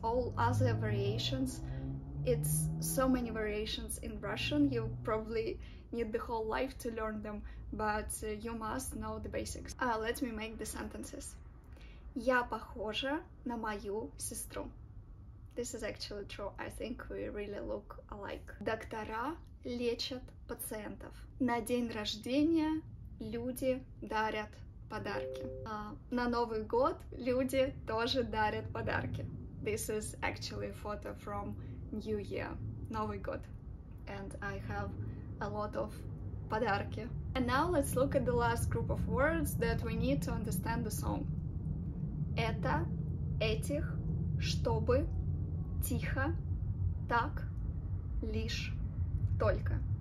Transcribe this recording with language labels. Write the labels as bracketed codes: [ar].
[en] All other variations, it's so many variations in Russian, you probably need the whole life to learn them, but you must know the basics. Let me make the sentences. [ru] Я похожа на мою сестру. [en] This is actually true, I think we really look alike. [ru] Доктора лечат пациентов. На день рождения люди дарят подарки. На Новый год люди тоже дарят подарки. [en] This is actually a photo from New Year, Новый год. And I have a lot of подарки. And now let's look at the last group of words that we need to understand the song. [ru] Это, этих, чтобы, тихо, так, лишь, только.